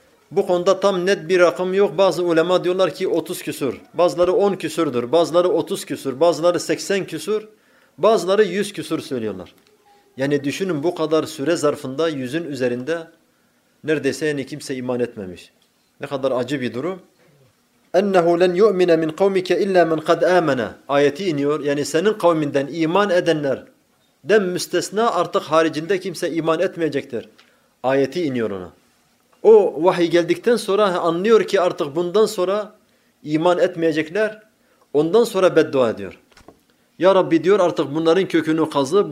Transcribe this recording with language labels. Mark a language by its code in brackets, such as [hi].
[tr] Bu konuda tam net bir rakam yok. Bazı ulema diyorlar ki 30 küsur. Bazıları 10 küsurdur. Bazıları 30 küsur. Bazıları 80 küsur. Bazıları 100 küsur söylüyorlar. Yani düşünün bu kadar süre zarfında yüzün üzerinde neredeyse yani kimse iman etmemiş. Ne kadar acı bir durum. [ar] اَنَّهُ لَنْ يُؤْمِنَ مِنْ قَوْمِكَ اِلَّا مَنْ قَدْ آمَنَا [tr] ayeti iniyor. Yani senin kavminden iman edenler den müstesna artık haricinde kimse iman etmeyecektir. Ayeti iniyor ona. O vahiy geldikten sonra anlıyor ki artık bundan sonra iman etmeyecekler. Ondan sonra beddua ediyor. Ya Rabbi diyor artık bunların kökünü kazı.